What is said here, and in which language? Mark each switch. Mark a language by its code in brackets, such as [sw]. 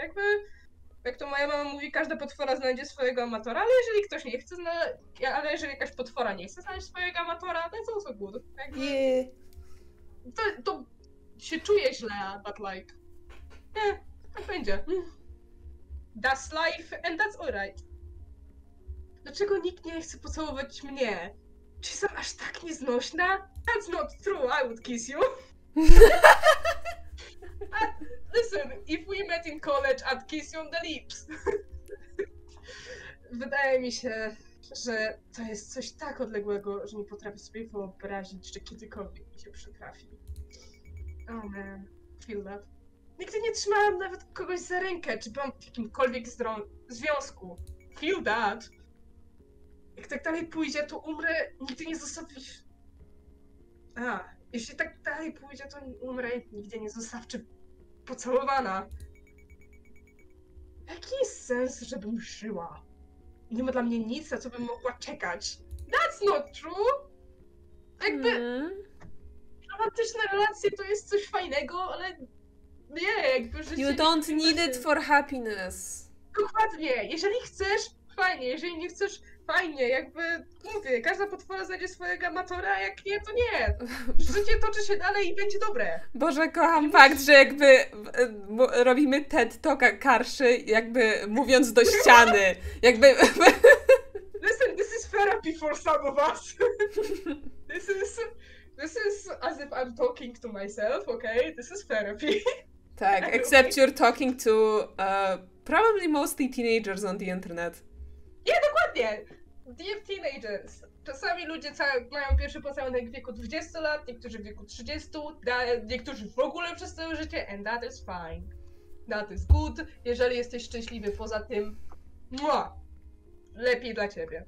[pl] Jakby, jak to moja mama mówi, każda potwora znajdzie swojego amatora, ale jeżeli ktoś nie chce, ale jeżeli jakaś potwora nie chce znaleźć swojego amatora, to jest [en] also good. [pl] Jakby, to się czuje źle, [en] but like, [pl] tak będzie. [en] That's life and that's alright. [pl] Dlaczego nikt nie chce pocałować mnie? Czy jestem aż tak nieznośna? [en] That's not true, I would kiss you. Listen, if we met in college, I'd kiss you on the lips. [pl] Wydaje mi się, że to jest coś tak odległego, że nie potrafię sobie wyobrazić, że kiedykolwiek mi się przytrafi. [en] Oh man, feel that. [pl] Nigdy nie trzymałam nawet kogoś za rękę, czy byłam w jakimkolwiek związku. [en] Feel that. [pl] Jak tak dalej pójdzie, to umrę, nigdy nie zostawisz. Jeśli tak dalej pójdzie, to umrę, nigdy nie zostawczy pocałowana. Jaki jest sens, żebym żyła? Nie ma dla mnie nic, na co bym mogła czekać. [en] That's not true! [pl] Jakby... Romantyczne relacje to jest coś fajnego, ale... Nie, jakby życie... [en] You don't need it for happiness. [pl] Dokładnie, jeżeli chcesz, fajnie, jeżeli nie chcesz... Fajnie, jakby, mówię, każda potwora znajdzie swojego amatora, a jak nie, to nie. Życie toczy się dalej i będzie dobre. Boże, kocham nie fakt, musisz... że jakby robimy TED Talka Karszy, jakby mówiąc do ściany. Jakby... [en] Listen, this is therapy for some of us. This is as if I'm talking to myself, okay? This is therapy. Tak, except you're talking to probably mostly teenagers on the internet. [pl] Nie, dokładnie! [en] Dear teenagers, [pl] czasami ludzie mają pierwszy pocałunek w wieku 20 lat, niektórzy w wieku 30, niektórzy w ogóle przez całe życie, [en] and that is fine. That is good, [pl] jeżeli jesteś szczęśliwy poza tym, mua, lepiej dla ciebie.